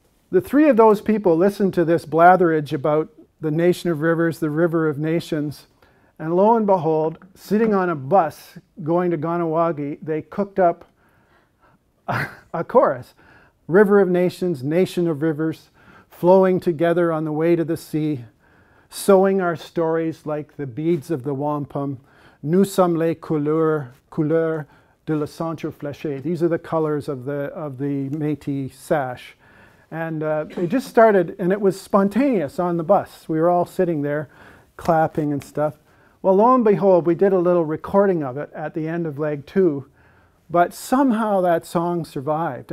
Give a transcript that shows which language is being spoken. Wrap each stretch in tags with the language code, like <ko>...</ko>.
<en>The three of those people listened to this blatherage about the Nation of Rivers, the River of Nations, and lo and behold, sitting on a bus going to Ganawagi, they cooked up a chorus. River of Nations, Nation of Rivers, flowing together on the way to the sea, sewing our stories like the beads of the wampum.</en> <fr>Nous sommes les couleurs de la ceinture fléchée.</fr> <en>These are the colors of the Métis sash. And it just started, and it was spontaneous on the bus. We were all sitting there clapping and stuff. Well, lo and behold, we did a little recording of it at the end of leg two, but somehow that song survived.</en>